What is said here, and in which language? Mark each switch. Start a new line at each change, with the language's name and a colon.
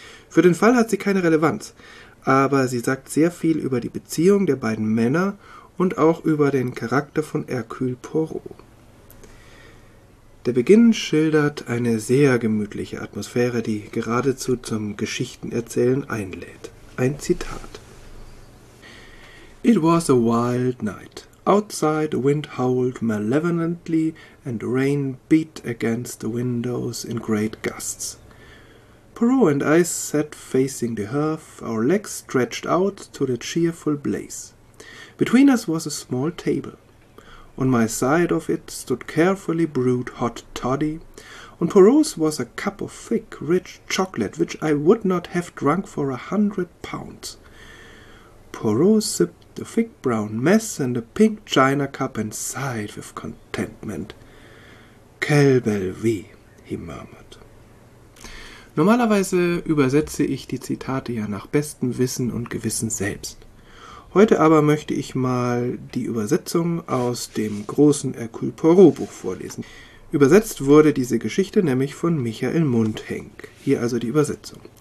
German: Für den Fall hat sie keine Relevanz, aber sie sagt sehr viel über die Beziehung der beiden Männer und auch über den Charakter von Hercule Poirot. Der Beginn schildert eine sehr gemütliche Atmosphäre, die geradezu zum Geschichtenerzählen einlädt. Ein Zitat.
English: It was a wild night. Outside, the wind howled malevolently and rain beat against the windows in great gusts. Poirot and I sat facing the hearth, our legs stretched out to the cheerful blaze. Between us was a small table. On my side of it stood carefully brewed hot toddy. On Poirot's was a cup of thick, rich chocolate, which I would not have drunk for 100 pounds. Poirot sipped the thick brown mess and a pink china cup and sighed with contentment.
French: Quelle belle vie,
English: he murmured.
German: Normalerweise übersetze ich die Zitate ja nach bestem Wissen und Gewissen selbst. Heute aber möchte ich mal die Übersetzung aus dem großen Hercule Poirot Buch vorlesen. Übersetzt wurde diese Geschichte nämlich von Michael Mundhenk. Hier also die Übersetzung.